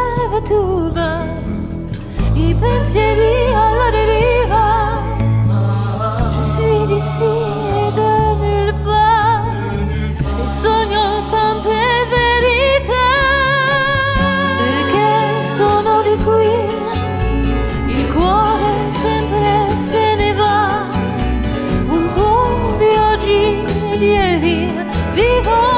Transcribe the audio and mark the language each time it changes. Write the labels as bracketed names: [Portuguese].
[Italian] futura i pensieri alla deriva. [French] Je suis d'ici et de nulle part et [Italian] sogno tante verità. Perché sono di qui, il cuore sempre se ne va, un po' di oggi e di ieri vivo.